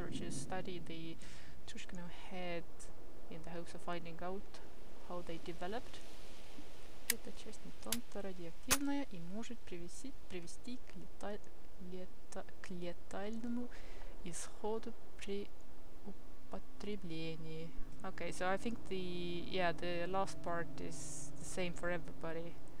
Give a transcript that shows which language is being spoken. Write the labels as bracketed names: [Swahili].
[English] Study the Tushkino head in the hopes of finding out how they developed. [Russian] Эта часть мутанта радиоактивная и может привести к летальному исходу при употреблении. [English] Okay, so I think the last part is the same for everybody.